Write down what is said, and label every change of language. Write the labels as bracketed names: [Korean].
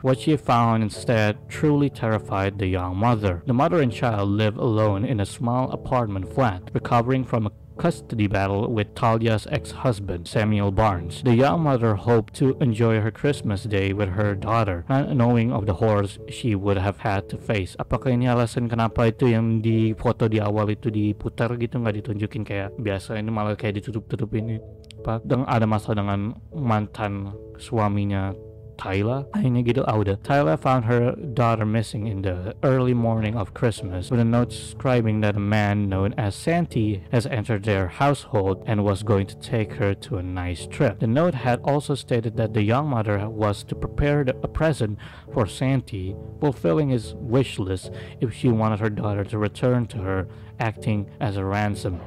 [English] What she found instead truly terrified the young mother. The mother and child live alone in a small apartment flat, recovering from a custody battle with Talia's ex-husband, Samuel Barnes. The young mother hoped to enjoy her Christmas day with her daughter, not knowing of the horrors she would have had to face. [Indonesian] Apakah ini alasan kenapa itu yang di foto di awal itu diputar gitu, nggak ditunjukin kayak biasa, ini malah kayak ditutup-tutupin ini. Apa? Ada masalah dengan mantan suaminya Tyler, ini gitu, udah. [English] Tyler found her daughter missing in the early morning of Christmas with a note describing that a man known as Santy has entered their household and was going to take her to a nice trip. The note had also stated that the young mother was to prepare a present for Santy, fulfilling his wish list if she wanted her daughter to return to her, acting as a ransom.